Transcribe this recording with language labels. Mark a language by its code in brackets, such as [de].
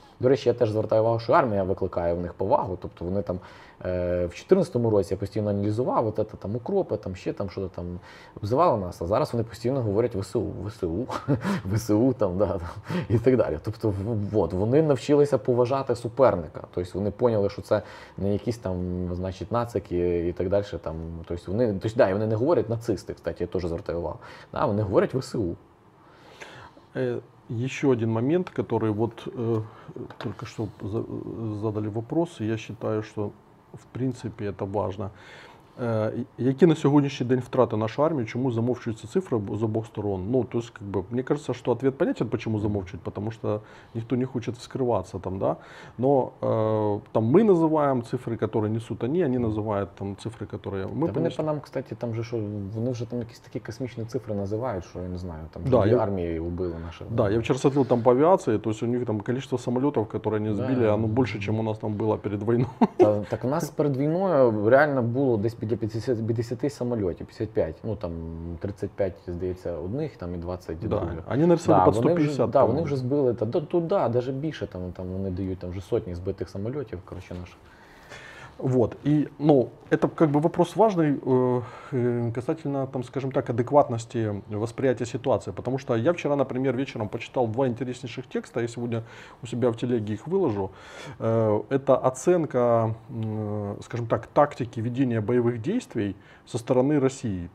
[uk] До речі, я теж звертаю увагу, що армія викликає в них повагу. Тобто вони там в 14-му році я постійно аналізував, от це там укропи, там ще там щось там обзивало нас, а зараз вони постійно говорять ВСУ, ВСУ, ВСУ там, да, там і так далі. Тобто, от, вони навчилися поважати суперника. Тобто вони поняли, що це не якісь там, значить, нацики і так далі. Там, тобто вони, тобто, да, і вони не говорять нацисти, кстати, я теж звертаю увагу. Да, вони говорять ВСУ. [ru] Еще один момент, который вот только что задали вопрос, и я считаю, что в принципе это важно. [uk] Які на сьогоднішній день втрати нашої армії, чому замовчуються цифри з обох сторон? Ну, [ru] то есть, как бы, [uk] мені кажется, що відповідь понятен, чому замовчують, тому що ніхто не хоче вскриватися там, да? Но там ми називаємо цифри, які несуть вони, вони називають там цифри, які ми понесли. Вони по нам, кстати, там же, що вони вже там якісь такі космічні цифри називають, що я не знаю, там, да, я... армії вбили наші. Да, я вчора сидів там по авіації, то есть у них там кількість самолітів, які вони збили, да, оно більше, ніж у нас там було перед війною. Так у нас перед війною реально було десь 50 самолетів, 55, ну там 35, здається, одних там і 20 других. Вони нарисували під 150. Так, вони вже збили та, туди, навіть більше, там, там вони дають там, вже сотні збитих самолетів, коротше, наших. [ru] Вот, и, ну, это как бы вопрос важный касательно, там, скажем так, адекватности восприятия ситуации. Потому что я вчера, например, вечером почитал два интереснейших текста, я сегодня у себя в телеге их выложу. Это оценка, скажем так, тактики ведения боевых действий со стороны России.